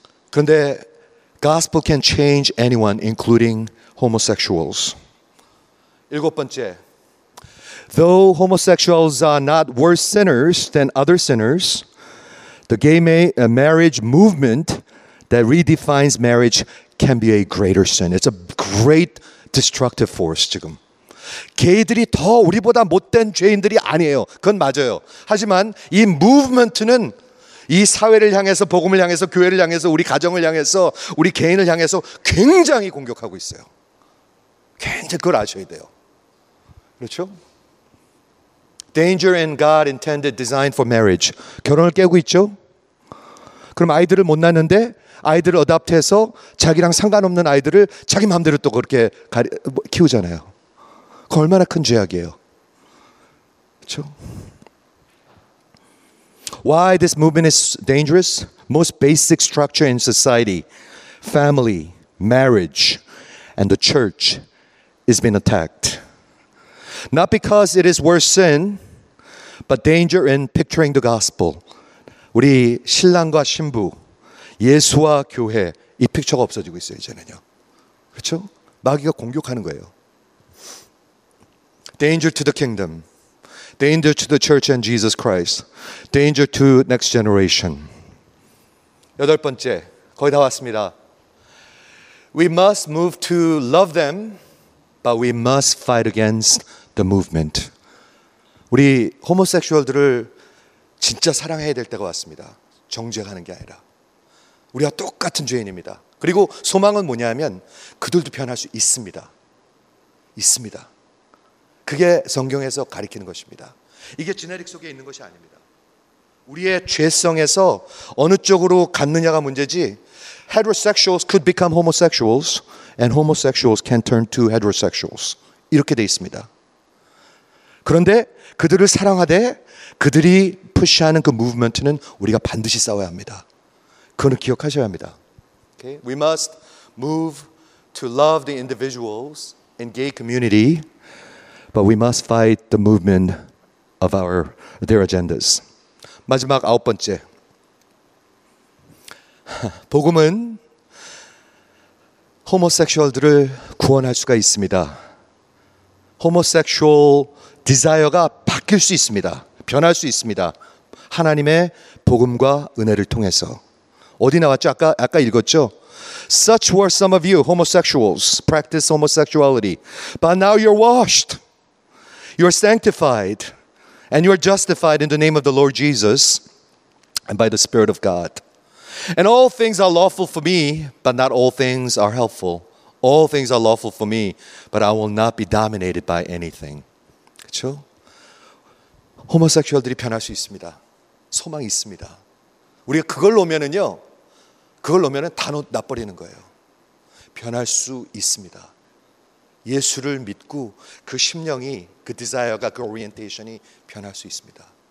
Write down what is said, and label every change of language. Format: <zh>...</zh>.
<en>그런데 gospel can change anyone, including homosexuals.</en> <ko>일곱 번째,</ko> <en>though homosexuals are not worse sinners than other sinners, the gay marriage movement that redefines marriage can be a greater sin. It's a great destructive force 지금.</en> <ko>게이들이 더 우리보다 못된 죄인들이 아니에요. 그건 맞아요. 하지만 이 movement는 이 사회를 향해서, 복음을 향해서, 교회를 향해서, 우리 가정을 향해서, 우리 개인을 향해서 굉장히 공격하고 있어요. 굉장히 그걸 아셔야 돼요. 그렇죠?</ko> <en>Danger in God intended design for marriage.</en> <ko>결혼을 깨고 있죠? 그럼 아이들을 못 낳는데 아이들을 어댑트해서 자기랑 상관없는 아이들을 자기 마음대로 또 그렇게 키우잖아요. 그 얼마나 큰 죄악이에요. 그렇죠?</ko> <en>Why this movement is dangerous? Most basic structure in society, family, marriage, and the church is being attacked. Not because it is worse sin, but danger in picturing the gospel.</en> <ko>우리 신랑과 신부, 예수와 교회, 이 픽처가 없어지고 있어요, 이제는요. 그렇죠? 마귀가 공격하는 거예요.</ko> <en>Danger to the kingdom. Danger to the church and Jesus Christ. Danger to next generation.</en> <ko>여덟 번째, 거의 다 왔습니다.</ko> <en>We must move to love them, but we must fight against the movement.</en> <ko>우리 호모섹슈얼들을 진짜 사랑해야 될 때가 왔습니다. 정죄하는 게 아니라. 우리와 똑같은 죄인입니다. 그리고 소망은 뭐냐면 그들도 변할 수 있습니다. 있습니다. 그게 성경에서 가리키는 것입니다. 이게 지네릭 속에 있는 것이 아닙니다. 우리의 죄성에서 어느 쪽으로 갔느냐가 문제지</ko> <en>heterosexuals could become homosexuals and homosexuals can turn to heterosexuals.</en> <ko>이렇게 돼 있습니다. 그런데 그들을 사랑하되 그들이 푸시하는 그 movement는 우리가 반드시 싸워야 합니다. 그거는 기억하셔야 합니다.</ko> <en>Okay? We must move to love the individuals in gay community, but we must fight the movement of their agendas.</en> <ko>마지막 아홉 번째. 복음은 homosexual들을 구원할 수가 있습니다. Homosexual desire가 바뀔 수 있습니다. 변할 수 있습니다. 하나님의 복음과 은혜를 통해서. 어디 나왔죠? 아까 읽었죠?</ko> <en>Such were some of you, homosexuals, practice homosexuality. But now you're washed, you're sanctified, and you're justified in the name of the Lord Jesus and by the Spirit of God. And all things are lawful for me, but not all things are helpful. All things are lawful for me, but I will not be dominated by anything.</en> <ko>그렇죠? 호모섹슈얼들이 변할 수 있습니다. 소망이 있습니다. 우리가 그걸 놓으면은요, 그걸 놓으면 다 놔버리는 거예요. 변할 수 있습니다. 예수를 믿고 그 심령이, 그 디자이어가, 그 오리엔테이션이 변할 수 있습니다.</ko>